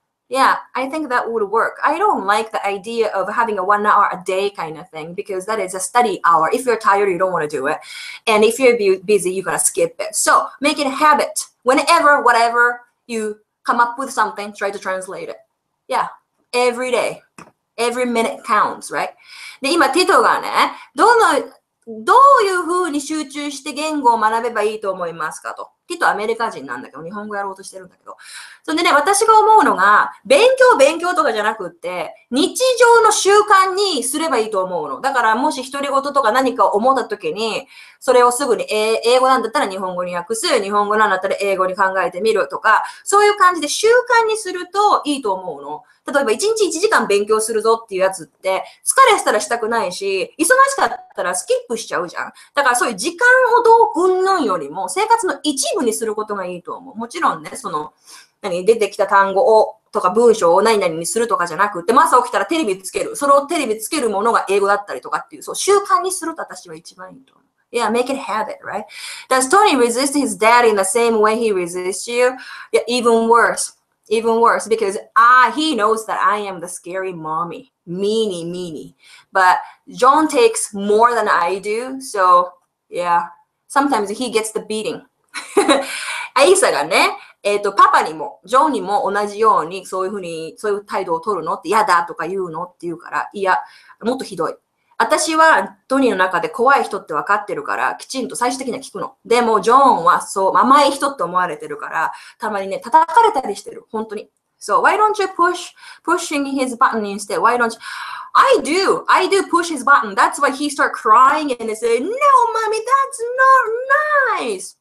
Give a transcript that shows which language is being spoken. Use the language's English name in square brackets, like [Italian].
[English] Yeah, I think that would work. I don't like the idea of having a 1 hour a day kind of thing because that is a study hour. If you're tired, you don't want to do it. And if you're busy, you're going to skip it. So make it a habit. Whenever, whatever you come up with something, try to translate it. Yeah, every day. Every minute counts, right? [Japanese] で、今、ティトがね、どういう風に集中して言語を学べばいいと思いますかと。ティトはアメリカ人なんだけど、日本語やろうとしてるんだけど。そんでね、私が思うのが、勉強とかじゃなくって、日常の習慣にすればいいと思うの。だから、もし独り言とか何かを思った時に、それをすぐに英語なんだったら日本語に訳す、日本語なんだったら英語に考えてみるとか、そういう感じで習慣にするといいと思うの。例えば1日1時間勉強するぞっていうやつって、疲れしたらしたくないし、忙しかったらスキップしちゃうじゃん。だからそういう時間をどう云々よりも、生活の一部にすることがいいと思う。もちろんね、その、何、出てきた単語を、とか文章を何々にするとかじゃなくて、朝起きたらテレビつける。そのテレビつけるものが英語だったりとかっていう、そう、習慣にすると私は一番いいと思う。 [English] Yeah, make it habit, right? Does Tony resist his dad in the same way he resists you? Yeah, even worse. Even worse, because he knows that I am the scary mommy. Meanie. But John takes more than I do, so yeah. Sometimes he gets the beating. [Japanese] アイサがね、パパにも、ジョンにも同じように、そういうふうに、そういう態度を取るのって嫌だとか言うのって言うから、いや、もっとひどい。私はトニーの中で怖い人って分かってるからきちんと最終的には聞くの。でもジョーンはそう甘い人って思われてるからたまにね叩かれたりしてる。本当に。 [English] So why don't you pushing his button instead? Why don't you? I do push his button. That's why he start crying and they say, No, mommy, that's not nice.